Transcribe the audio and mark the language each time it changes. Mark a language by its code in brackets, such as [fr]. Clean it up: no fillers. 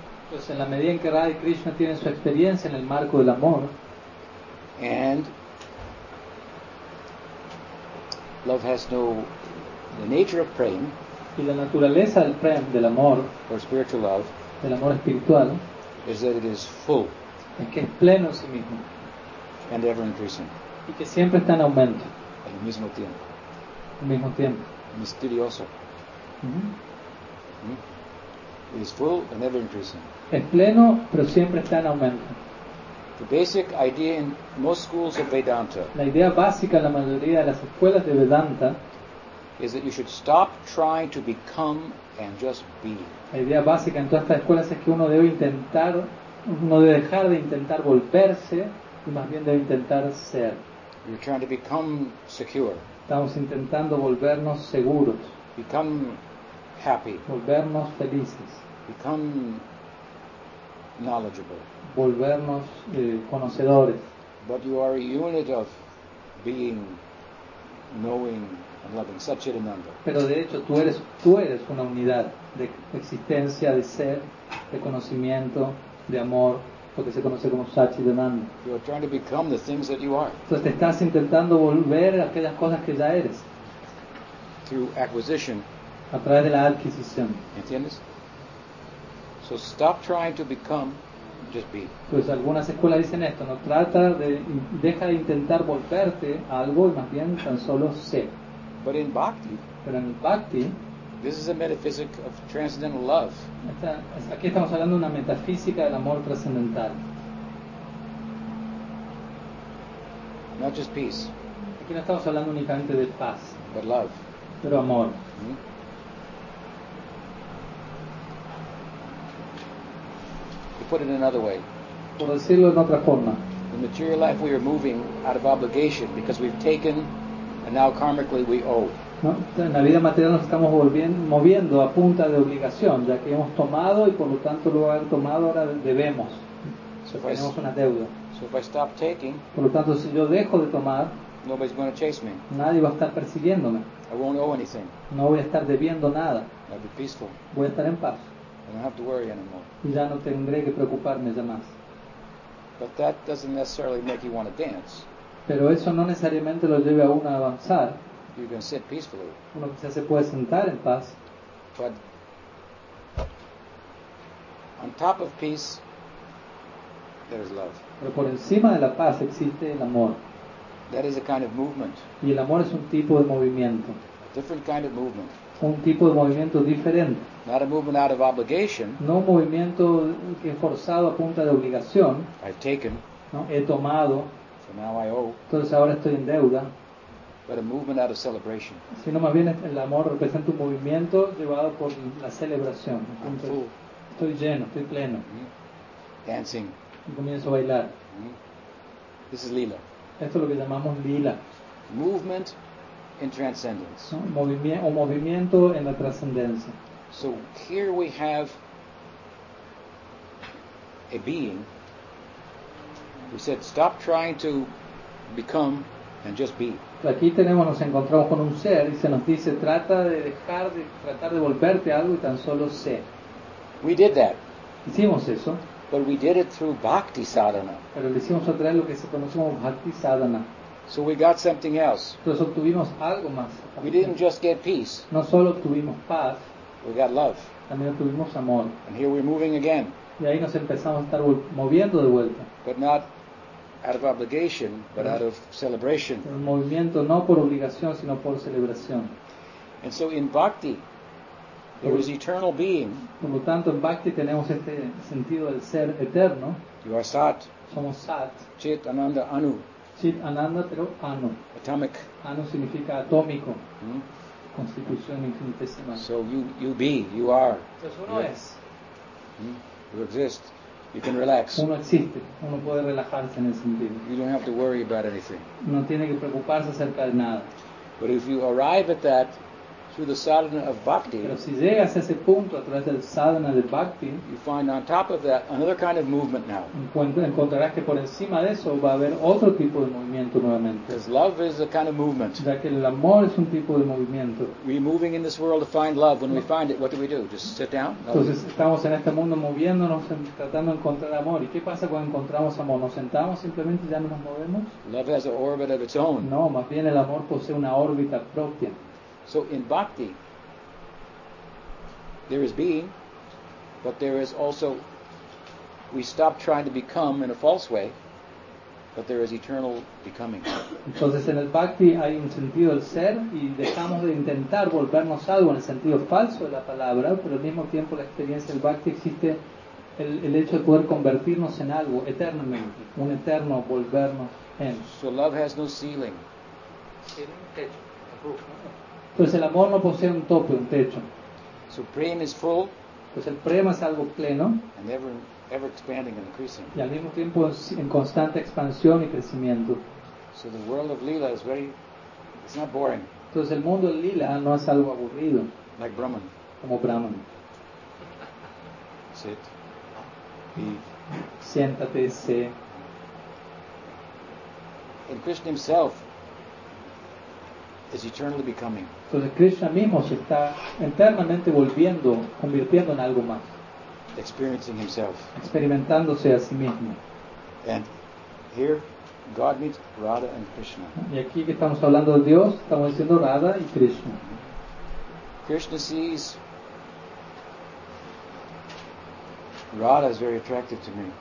[es] Entonces, en la medida en que Radha y Krishna tienen su experiencia en el marco del amor, [en] and love has no the nature of prem, [es] y la naturaleza del prem, del amor, [en] or spiritual love, [es] del amor espiritual, [en] is that it is full, [es] es que es pleno en sí mismo, [en] and ever increasing, [es] y que siempre está en aumento, al mismo tiempo, al mismo tiempo. Misterioso. [en] It is full and ever increasing. [es] Es pleno, pero siempre está en aumento. [en] The basic idea in most schools of Vedanta. [es] La idea básica en la mayoría de las escuelas de Vedanta [en] is that you should stop trying to become and just be. [es] La idea básica en todas estas escuelas es que uno debe intentar, uno debe dejar de intentar volverse y más bien debe intentar ser. [en] You're trying to become secure. [es] Estamos intentando volvernos seguros. [en] Become happy. [es] Volvernos felices. [en] Become knowledgeable. [es] Volvernos conocedores. [en] But you are a unit of being, knowing, and loving. Such a number. [es] Pero de hecho tú eres una unidad de existencia, de ser, de conocimiento, de amor. Porque se conoce como Satchidananda. [en] You are trying to become the things that you are. [es] Entonces te estás intentando volver a aquellas cosas que ya eres. [en] Through acquisition. [es] A través de la adquisición. ¿Entiendes? [en] So stop trying to become, just be. [es] Pues algunas escuelas dicen esto, no trata de deja de intentar volverte a algo y más bien tan solo sé. [en] But in bhakti. [es] Pero en bhakti. [en] This is a metaphysic of transcendental love. [es] Aquí estamos hablando de una metafísica del amor trascendental. [en] Not just peace. [es] Aquí no estamos hablando únicamente de paz. [en] But love. [es] Pero amor. [en] You put it in another way. [es] Por decirlo en otra forma. [en] The material life we are moving out of obligation because we've taken and now karmically we owe. [es] ¿No? En la vida material nos estamos moviendo a punta de obligación, ya que hemos tomado y por lo tanto luego de haber tomado ahora debemos. [en] So [es] tenemos una deuda. [en] So if I stop taking, [es] por lo tanto, si yo dejo de tomar, [en] nobody's gonna chase me. [es] Nadie va a estar persiguiéndome. [en] I won't owe anything. [es] No voy a estar debiendo nada. [en] I'll be peaceful. [es] Voy a estar en paz. [en] I don't have to worry anymore. [es] Y ya no tendré que preocuparme ya más. [en] But that doesn't necessarily make you want to dance. [es] Pero eso no necesariamente lo lleve a uno a avanzar. [en] You can sit peacefully. [es] Uno se puede sentar en paz. [en] But on top of peace, there is love. [es] Pero por encima de la paz existe el amor. [en] That is a kind of movement. [es] Y el amor es un tipo de movimiento. [en] A different kind of movement. [es] Un tipo de movimiento diferente. [en] Not a movement out of obligation. [es] No un movimiento que es forzado a punta de obligación. [en] I've taken. [es] No, he tomado. [en] So now I owe. [es] Entonces ahora estoy en deuda. [en] But a movement out of celebration. [es] Sino más bien el amor representa un movimiento llevado por la celebración. Estoy lleno, estoy pleno. [en] Dancing. [es] Y comienzo a bailar. [en] This is lila. [es] Esto es lo que llamamos lila. [en] Movement in transcendence. [es] ¿No? Movimiento en la trascendencia. [en] So here we have a being who said, "Stop trying to become and just be." [es] Aquí tenemos, nos encontramos con un ser y se nos dice, trata de dejar de tratar de volverte algo y tan solo sé. [en] We did that. [es] Hicimos eso. [en] But we did it through bhakti sadhana. [es] Pero lo hicimos a través de lo que se conoce como bhakti sadhana. [en] So we got something else. [es] Entonces obtuvimos algo más. [en] We didn't just get peace. [es] No solo obtuvimos paz. [en] We got love. [es] También obtuvimos amor. [en] And here we're moving again. [es] Y ahí nos empezamos a estar moviendo de vuelta. [en] But not out of obligation, but out of celebration. [es] Un movimiento no por obligación, sino por celebración. [en] And so in bhakti, there is eternal being. [es] Por lo tanto, en bhakti tenemos este sentido del ser eterno. [en] You are sat. [es] Somos sat. [en] Chit ananda anu. [es] Chit ananda, pero anu. [en] Atomic. [es] Anu significa atómico. constitución infinitesimal. [en] So you are. [es] Entonces uno es. [en] You exist. You can relax. [es] Uno existe. Uno puede relajarse en ese sentido. [en] You don't have to worry about anything. [es] No tiene que preocuparse acerca de nada. [en] But if you arrive at that through the sadhana of bhakti, [es] pero si llegas a ese punto a través del sadhana de bhakti, [en] you find on top of that another kind of movement now. [es] Encontrarás que por encima de eso va a haber otro tipo de movimiento nuevamente. [en] Because love is a kind of movement. [es] Ya que el amor es un tipo de movimiento. [en] We're moving in this world to find love. When we find it, what do? Just sit down? [es] No. Entonces estamos en este mundo moviéndonos, tratando de encontrar amor. ¿Y qué pasa cuando encontramos amor? ¿Nos sentamos simplemente y ya no nos movemos? [en] Love has an orbit of its own. [es] No, más bien el amor posee una órbita propia. [en] So in bhakti, there is being, but there is also, we stop trying to become in a false way, but there is eternal becoming. [es] Entonces en el bhakti hay un sentido del ser, y dejamos de intentar volvernos algo en el sentido falso de la palabra, pero al mismo tiempo la experiencia del bhakti existe el hecho de poder convertirnos en algo eternamente, un eterno volvernos en. [en] So love has no ceiling. [es] Entonces el amor no posee un tope, un techo. [en] Supreme is full. [es] Pues el prema es algo pleno. [en] And ever expanding and increasing. [es] Y al mismo tiempo es en constante expansión y crecimiento. [en] So the world of lila is very, it's not boring. [es] Entonces el mundo del lila no es algo aburrido. [en] Like Brahman. [es] Como Brahman. [en] Sit. Be. [es] Siéntate, sé. [en] And Krishna himself is eternally becoming. [es] Entonces Krishna mismo se está eternamente volviendo, convirtiendo en algo más. [en] Experiencing himself. [es] Experimentándose a sí mismo. [en] And here, God meets Radha and Krishna. [es] Y aquí que estamos hablando de Dios, estamos diciendo Radha y Krishna. [en] Krishna sees Radha is very attractive to me.